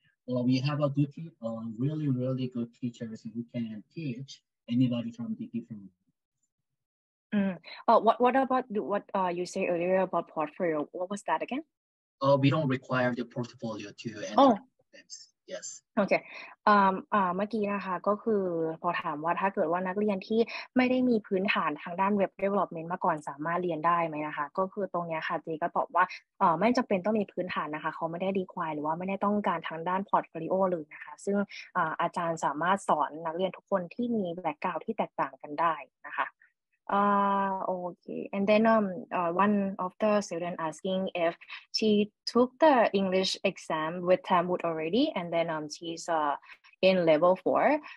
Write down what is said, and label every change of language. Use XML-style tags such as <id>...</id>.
<en>Well, we have a good, really, really good teachers who can teach anybody from the different. What about you say earlier about portfolio? What was that again? We don't require the portfolio to enter. Oh. Yes. Okay.</en> <th>เมื่อกี้นะคะก็คือพอถามว่าถ้าเกิดว่านักเรียนที่ไม่ได้มีพื้นฐานทางด้านเว็บเดเวลลอปเมนต์มาก่อนสามารถเรียนได้ไหมนะคะก็คือตรงนี้ค่ะเจก็ตอบว่าไม่จำเป็นต้องมีพื้นฐานนะคะเขาไม่ได้รีควายหรือว่าไม่ได้ต้องการทางด้านพอร์ตโฟลิโอเลยนะคะซึ่งอาจารย์สามารถสอนนักเรียนทุกคนที่มีแบ็คกราวด์ที่แตกต่างกันได้นะคะokay.</th> <en>And then one of the students asking if she took the English exam with Tamwood already, and then she's in level 4.</en>